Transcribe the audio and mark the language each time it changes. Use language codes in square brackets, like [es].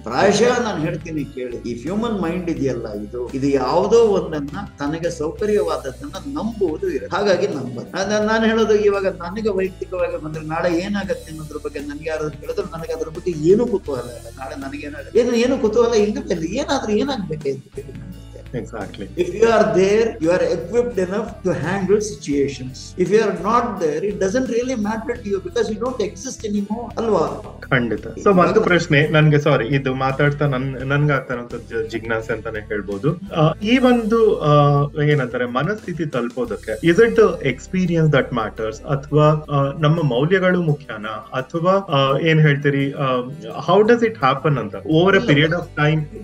[kn] ಪ್ರಾಯಶಃ ನಾನು ಹೇಳ್ತೀನಿ ಕೇಳಿ, ಈ ಹ್ಯೂಮನ್ ಮೈಂಡ್ ಇದೆಯಲ್ಲ, ಇದು ಯಾವುದೋ ಒಂದನ್ನ ತನಗೆ ಸೌಕರ್ಯವಾದದ್ದನ್ನ ನಂಬುವುದು ಇರ, ಹಾಗಾಗಿ ನಂಬುತ್ತೆ. ನಾನು ಹೇಳೋದು ಇವಾಗ ನನಗೆ ವೈಯಕ್ತಿಕವಾಗಿ ಬಂದ್ರೆ ನಾಳೆ ಏನಾಗತ್ತೆ ಅನ್ನೋದ್ರ ಬಗ್ಗೆ ನನಗೆ ಯಾರಾದ್ರೂ ಹೇಳಿದ್ರೆ ನನಗೆ ಅದ್ರ ಬಗ್ಗೆ ಏನು ಕುತೂಹಲ ಇಲ್ಲ. ನಾಳೆ ನನಗೇನಾದ್ರೂ ಏನು ಕುತೂಹಲ ಇಲ್ಲ, ಏನಾದ್ರೂ ಏನಾಗ್ಬೇಕೆ ಅಂತ ಕೇಳಿ [en] Exactly. If you are there, you are equipped enough to handle situations. If you are not there, it doesn't really matter to you because you don't exist anymore. [kn] Alwa. ಖಂಡಿತ. ಸೊ ಒಂದು ಪ್ರಶ್ನೆ ನನ್ಗೆ, ಸಾರಿ, ಇದು ಮಾತಾಡ್ತಾ ನನ್ಗಾಗ್ತಾರಂತ ಜಿಜ್ಞಾಸೆ ಅಂತಾನೆ ಹೇಳ್ಬೋದು. ಈ ಒಂದು ಏನಂತಾರೆ ಮನಸ್ಥಿತಿ ತಲುಪೋದಕ್ಕೆ [en] is it the experience that matters, [kn] ಅಥವಾ ನಮ್ಮ ಮೌಲ್ಯಗಳು ಮುಖ್ಯನಾ, ಅಥವಾ ಏನ್ ಹೇಳ್ತೀರಿ, [en] how does it happen [kn] ಅಂತ [en] Over a period of time?